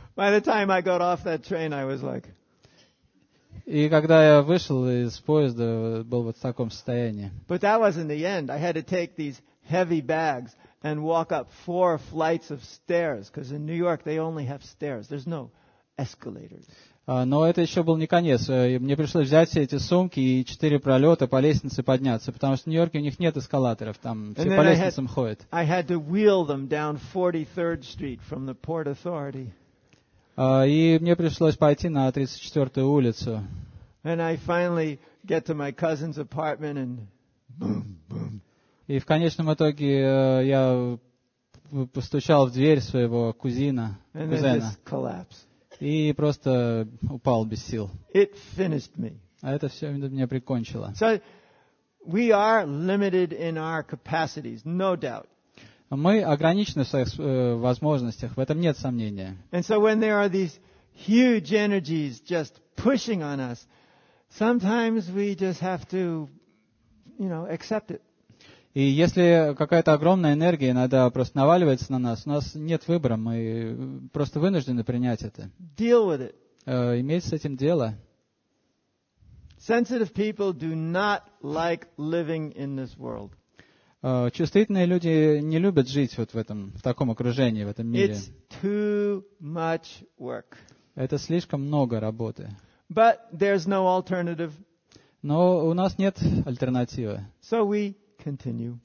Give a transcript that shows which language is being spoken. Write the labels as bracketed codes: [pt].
[en] By the time I got off that train, I was like... [ru] И когда я вышел из поезда, был вот в таком состоянии. [en] But that wasn't the end. I had to take these heavy bags and walk up 4 flights of stairs, because in New York they only have stairs. There's no escalators. [ru] Но это еще был не конец. Мне пришлось взять все эти сумки и 4 пролета по лестнице подняться, потому что в Нью-Йорке у них нет эскалаторов, там все по лестницам ходят. [en] I had to wheel them down 43rd Street from the Port Authority. [ru] И мне пришлось пойти на 34-ю улицу. [en] And I finally get to my cousin's apartment and boom, boom. [ru] И в конечном итоге я постучал в дверь своего кузина, [en] and [ru] кузена. И просто упал без сил. [en] It finished me. [ru] А это все меня прикончило. [en] So we are limited in our capacities, no doubt. [ru] Мы ограничены в своих возможностях, в этом нет сомнения. [en] And so when there are these huge energies just pushing on us, sometimes we just have to, you know, accept it. [ru] И если какая-то огромная энергия иногда просто наваливается на нас, у нас нет выбора, мы просто вынуждены принять это. [en] Deal with it. [ru] Иметь с этим дело. [en] Sensitive people do not like living in this world. [ru] Чувствительные люди не любят жить вот в этом, в таком окружении, в этом мире. [en] It's too much work. [ru] Это слишком много работы. [en] But there's no alternative. [ru] Но у нас нет альтернативы. [en] So we continue.